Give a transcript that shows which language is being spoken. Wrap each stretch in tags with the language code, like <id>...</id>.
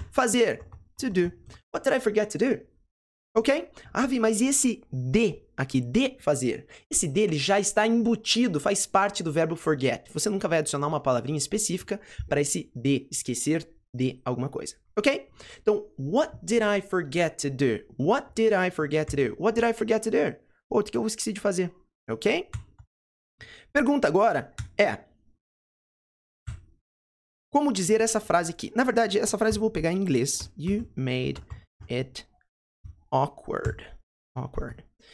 <pt>Fazer,</pt> <en>to do. What did I forget to do? Ok?</en> <pt>Ah, Vi, mas e esse de aqui, de fazer? Esse de, ele já está embutido, faz parte do verbo forget. Você nunca vai adicionar uma palavrinha específica para esse de, esquecer de alguma coisa. Ok?</pt> <en>Então, what did I forget to do? What did I forget to do? What did I forget to do?</en> <pt>Pô, o que eu esqueci de fazer? Ok? Pergunta agora é... como dizer essa frase aqui? Na verdade, essa frase eu vou pegar em inglês.</pt> <en>You made it... awkward. Awkward.</en>